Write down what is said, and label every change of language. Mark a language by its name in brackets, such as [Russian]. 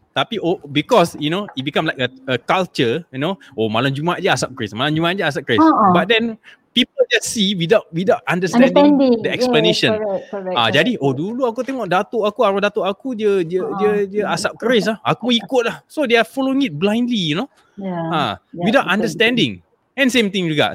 [English] Tapi because, you know, it become like a culture, you know. [Malay] Oh, malam Jumaat je asap Chris. Malam Jumaat je asap Chris. But then people just see without understanding the explanation. Jadi dulu aku tengok datuk aku, arwah datuk aku dia asap keris lah. Aku ikut lah. [English] So they are following it blindly, you know. Without understanding. And same thing juga.